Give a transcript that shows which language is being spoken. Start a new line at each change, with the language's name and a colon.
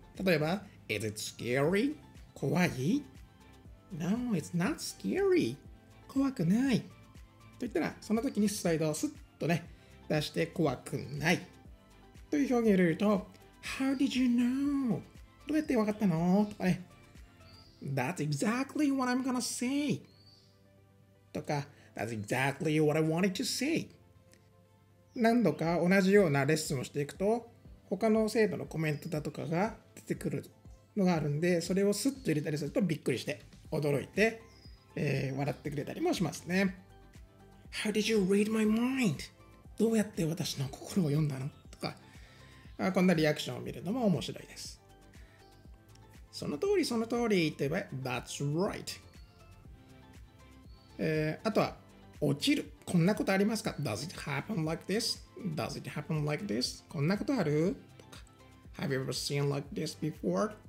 English: 例えば Is it scary?
Japanese: 怖い？
English: No, it's not scary.
Japanese: 怖くないと言ったら、その時にスライドをスッとね出して、怖くないという表現を入れると、
English: How did you know?
Japanese: どうやってわかったの？とかね。
English: That's exactly what I'm gonna say. とか、That's exactly what I wanted to say.
Japanese: 何度か同じようなレッスンをしていくと、他の生徒のコメントだとかが出てくるのがあるんで、それをスッと入れたりするとびっくりして、驚いて、笑ってくれたりもしますね。
English: How did you read my mind?
Japanese: どうやって私の心を読んだの？とか、こんなリアクションを見るのも面白いです。その通りその通りって言えば
English: That's right、
Japanese: あとは落ちる、こんなことありますか？
English: Does it happen like this? Does it happen like this?
Japanese: こんなことある？
English: とか、Have you ever seen like this before?